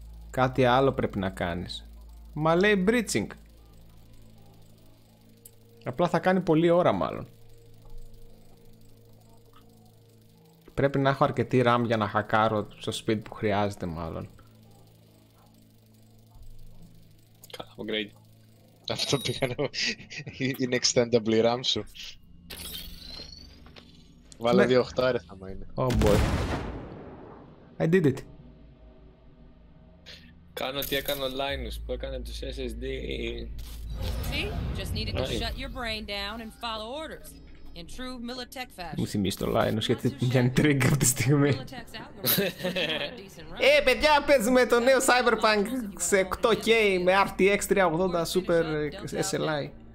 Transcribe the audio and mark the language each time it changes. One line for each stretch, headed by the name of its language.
Greek: Κάτι άλλο πρέπει να κάνεις. Μα λέει breaching. Απλά θα κάνει πολλή ώρα μάλλον. Πρέπει να έχω αρκετή RAM για να χακάρω στο speed που χρειάζεται μάλλον. Καλά, upgrade. Αυτό πήγαινε. Είναι extendable RAM σου. Βάλε 2-8 ναι. Άρεθαμα είναι.
English: Oh boy. I did it.
Greek: Κάνω τι έκανε ο Linus που έκανε τους SSD.
English: See, just needed to shut your brain down and follow orders. In true Militech fashion.
Greek: Μου θυμίζει το Linus γιατί πιάνει trigger αυτή τη στιγμή. Ε, παιδιά, παίζουμε το νέο Cyberpunk σε 8K με RTX 380 Super SLI.